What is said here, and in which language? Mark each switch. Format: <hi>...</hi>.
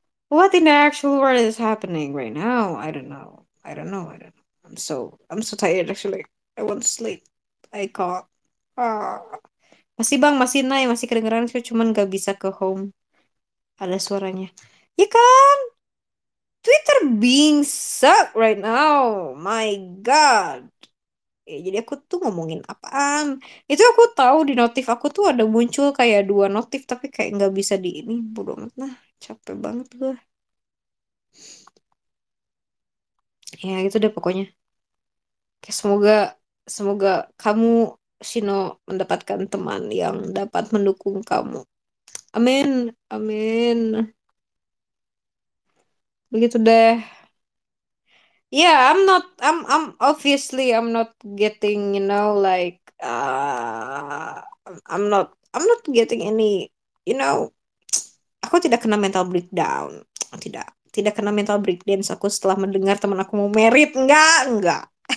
<en>What in the actual world is happening right now? I don't know. I don't know. I don't know. I'm so tired actually. I want to sleep. I can't.</en> <id>Masih bang, masih naik, masih kedengeran sih, cuman gak bisa ke home. Ada suaranya. Ya kan?</id> <en>Twitter being suck right now, my god.</en> <id>Ya, jadi aku tuh ngomongin apaan? Itu aku tahu di notif aku tuh ada muncul kayak dua notif, tapi kayak nggak bisa di ini, bodo amat. Nah, capek banget gue. Ya itu deh pokoknya. Oke, semoga kamu Shino mendapatkan teman yang dapat mendukung kamu. Amin, amin. Begitu deh.</id> <en>Yeah, I'm obviously I'm not getting, you know, like I'm not getting any, you know,</en> <id>aku tidak kena</id> <en>mental breakdown.</en> <id>Tidak kena mental breakdown aku setelah mendengar teman aku mau merit. Enggak.</id>